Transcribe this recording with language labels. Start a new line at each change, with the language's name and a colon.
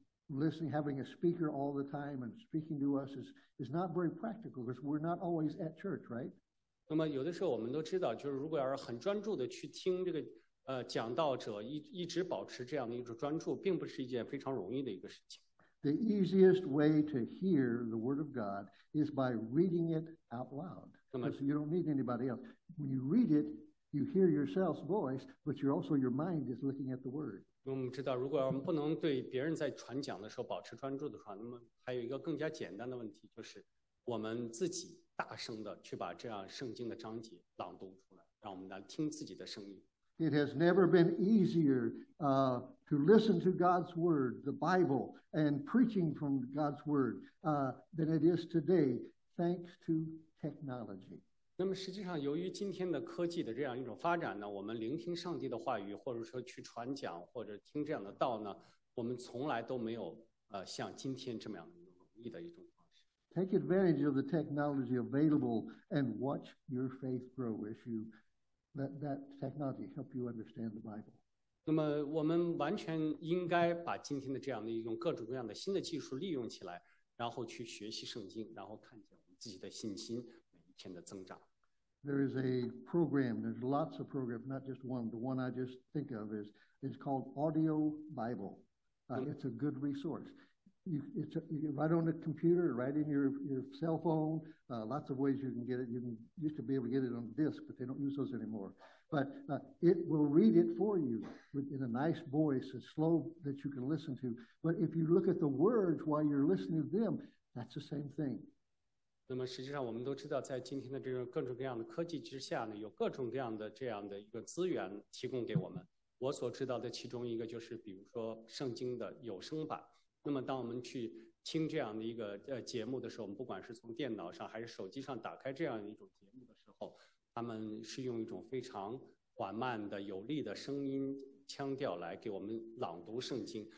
English: Listening, having a speaker all the time and speaking to us is not very practical because we're not always at church, right?
Chinese: 那么有的时候我们都知道，就是如果要是很专注的去听这个讲道者一直保持这样的一种专注，并不是一件非常容易的一个事情。
English: The easiest way to hear the word of God is by reading it out loud. Because you don't need anybody else. When you read it, you hear yourself's voice, but you're also your mind is looking at the word.
Chinese: 我们知道，如果我们不能对别人在传讲的时候保持专注的话，那么还有一个更加简单的问题，就是我们自己大声的去把这样圣经的章节朗读出来，让我们来听自己的声音。
English: It has never been easier to listen to God's word, the Bible, and preaching from God's word than it is today, thanks to. Technology.
Chinese: 那么实际上由于今天的科技的这样一种发展呢，我们聆听上帝的话语，或者说去传讲，或者听这样的道呢，我们从来都没有像今天这么样的容易的一种方式。
English: Take advantage of the technology available and watch your faith grow as you let that technology help you understand the Bible.
Chinese: 那么我们完全应该把今天的这样的一种各种各样的新的技术利用起来，然后去学习圣经，然后看见。自己的信心每一天的增长。
English: There is a program, there's lots of programs, not just one. The one I just think of is called Audio Bible. It's a good resource. You right on the computer, right in your cell phone, lots of ways you can get it. You used to be able to get it on disc, but they don't use those anymore. But it will read it for you in a nice voice, a slow that you can listen to. But if you look at the words while you're listening to them, that's the same thing.
Chinese: 那么实际上我们都知道，在今天的这种各种各样的科技之下呢，有各种各样的这样的一个资源提供给我们。我所知道的其中一个就是，比如说圣经的有声版。那么当我们去听这样的一个节目的时候，我们不管是从电脑上还是手机上打开这样一种节目的时候，他们是用一种非常缓慢的有力的声音腔调来给我们朗读圣经。